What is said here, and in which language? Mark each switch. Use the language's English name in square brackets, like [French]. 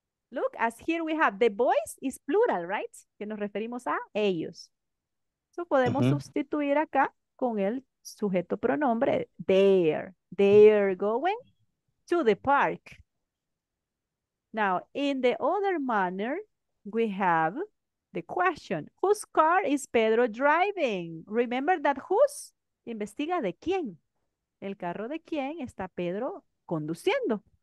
[English] Look, as here we have the boys is plural, right? [Spanish] Que nos referimos a ellos. So podemos sustituir acá con el sujeto pronombre. [English] They're going to the park. Now, in the other manner, we have the question, whose car is Pedro driving? Remember that whose? [Spanish] Investiga de quién. El carro de quién está Pedro conduciendo.